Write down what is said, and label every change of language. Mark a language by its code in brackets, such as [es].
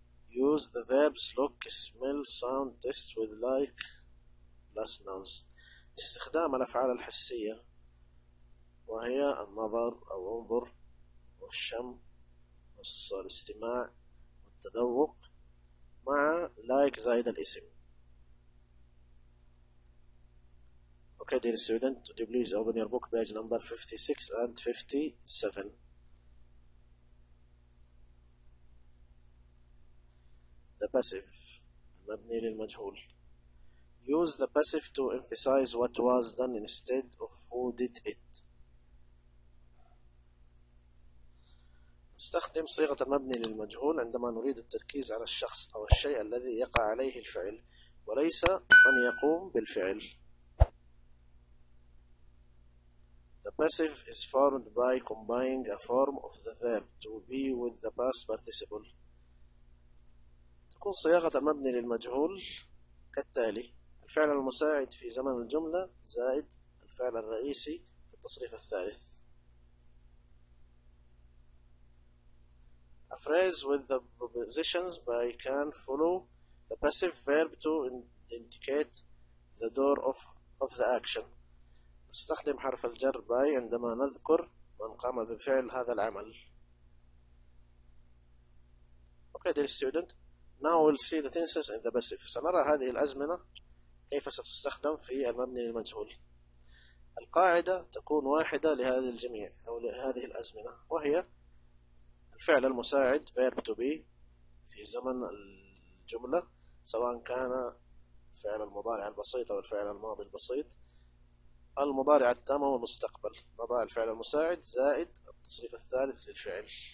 [en] Use the verbs look, smell, sound, taste with like plus nouns, [ar] استخدام الأفعال الحسية وهي النظر أو انظر والشم والاستماع والتذوق مع لايك زائد الاسم. [en] Okay dear student, would you please open your book page number 56 and 57. The passive, [ar] المبني للمجهول. [en] Use the passive to emphasize what was done instead of who did it. [ar] نستخدم صيغة المبني للمجهول عندما نريد التركيز على الشخص أو الشيء الذي يقع عليه الفعل وليس من يقوم بالفعل. [en] The passive is formed by combining a form of the verb to be with the past participle. [ar] تكون صياغة المبني للمجهول كالتالي: الفعل المساعد في زمن الجملة زائد الفعل الرئيسي في التصريف الثالث. [en] A phrase with the prepositions by can follow the passive verb to indicate the door of the action. [ar] نستخدم حرف الجر by عندما نذكر من قام بفعل هذا العمل. [en] Okay dear student, now we'll see the tenses in the passive. [ar] سنرى هذه الأزمنة كيف ستستخدم في المبني للمجهول. القاعدة تكون واحدة لهذه الجميع أو لهذه الأزمنة وهي: الفعل المساعد [en] verb to be [ar] في زمن الجملة سواء كان فعل المضارع البسيط أو الفعل الماضي البسيط، المضارع التام والمستقبل، نضع الفعل المساعد زائد التصريف الثالث للفعل.